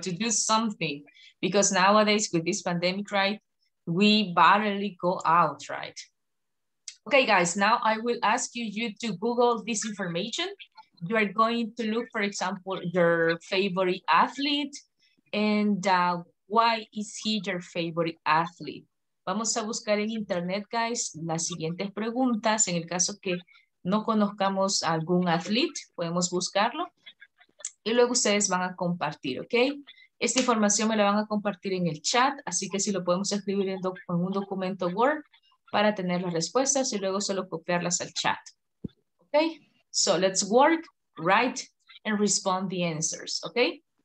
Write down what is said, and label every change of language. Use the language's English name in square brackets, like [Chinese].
[English] To do something, because nowadays with this pandemic, right, we barely go out, right? Okay, guys. Now I will ask you to Google this information. You are going to look, for example, your favorite athlete and why is he your favorite athlete? [Spanish] Vamos a buscar en internet, guys, las siguientes preguntas. En el caso que no conozcamos algún athlete, podemos buscarlo. Y luego ustedes van a compartir, ¿ok? Esta información me la van a compartir en el chat, así que si lo podemos escribir en un documento Word para tener las respuestas y luego solo copiarlas al chat, ¿ok? [English] So let's work, write, and respond the answers, okay?